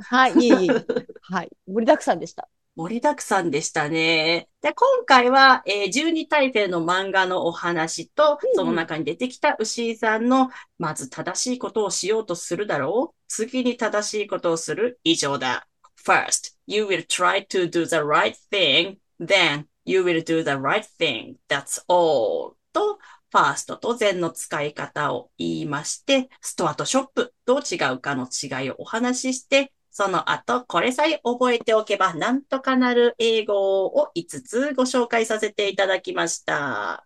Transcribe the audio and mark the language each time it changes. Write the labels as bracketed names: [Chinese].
[Japanese] はい、はい、いえいえ。はい。盛りだくさんでした。盛りだくさんでしたね。で、今回は、十二大帝の漫画のお話と、その中に出てきた牛井さんの、まず正しいことをしようとするだろう。次に正しいことをする。以上だ。 [English] First, you will try to do the right thing. Then, you will do the right thing. That's all. [Japanese] と、ファーストと前の使い方を言いまして、ストアとショップ、どう違うかの違いをお話しして、その後、これさえ覚えておけば、なんとかなる英語を5つご紹介させていただきました。